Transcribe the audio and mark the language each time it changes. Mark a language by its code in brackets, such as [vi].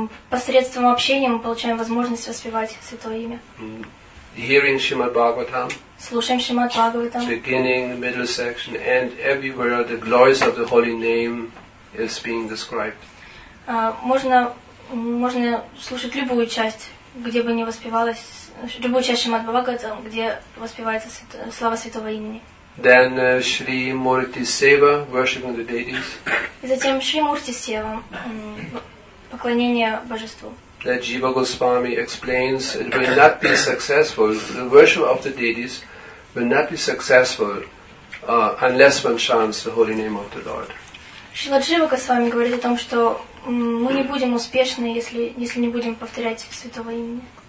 [ru] Посредством общения мы получаем возможность воспевать святое имя. [en] Hearing Shrimad Bhagavatam. [ru] Слушаем Шримад Бхагаватам. [en] Beginning, middle section, and everywhere the glories of the holy name is being described. [ru] Можно слушать любую часть, где бы ни воспевалась, любую часть Шримад Бхагаватам, где воспевается слава святого имени. [en] Then Shri Murti Seva, worshiping the deities. [ru] И затем Shri Murti Seva, поклонение божеству. [en] that Jiva Goswami explains it will not be successful. The worship of the deities will not be successful unless one chants the holy name of the Lord. [ru] Шрила Джива Госвами говорит о том, что мы не будем успешны, если не будем повторять святого имени.